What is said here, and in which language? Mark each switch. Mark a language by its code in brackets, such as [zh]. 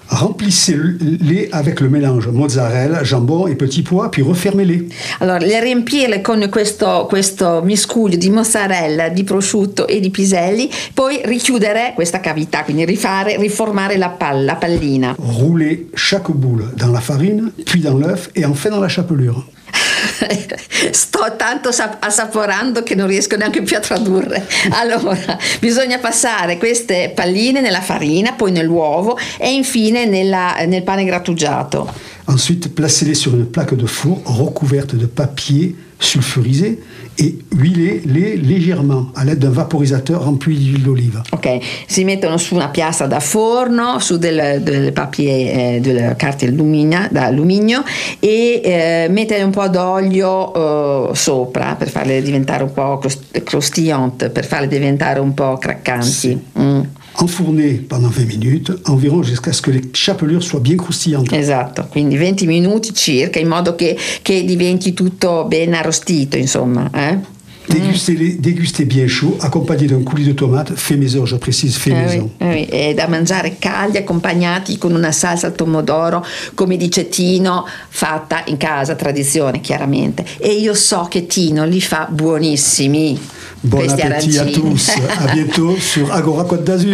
[fr] Remplissez-les avec le mélange mozzarella, jambon et petits pois, puis refermez-les. Alors, [it] le riempire con questo miscuglio di mozzarella, di prosciutto e di piselli, poi richiudere questa cavità, quindi riformare la pallina. [fr] Roulez chaque boule dans la farine, puis dans l'œuf et enfin dans la chapelure. [it] Sto tanto assaporando che non riesco neanche più a tradurre. Allora, bisogna passare queste palline nella farina, poi nell'uovo e infine nel pane grattugiato. [fr] Ensuite, placez-les sur une plaque de four recouverte de papier sulfurisé et huilez-les légèrement à l'aide d'un vaporisateur rempli d'huile d'olive. [it] Ok, si mettono su una piastra da forno, su del papier, della carta d'alluminio e mettere un po' d'olio sopra per farle diventare un po' croustillante, per farle diventare un po' craccanti. Sì. Mm. [fr] Enfournez pendant 20 minutes environ jusqu'à ce que les chapelures soient bien croustillantes. [it] Esatto, quindi 20 minuti circa in modo che diventi tutto ben arrostito, insomma, [fr] Dégustez bien chaud, accompagné d'un coulis de tomate, fait maison, je précise, fait maison. Oui, et [it] da mangiare caldi, accompagnati con una salsa al pomodoro, come dice Tino, fatta in casa, tradizione, chiaramente. E io so che Tino li fa buonissimi. [fr] Bon appétit à tous, à bientôt sur Agora Côte d'Azur.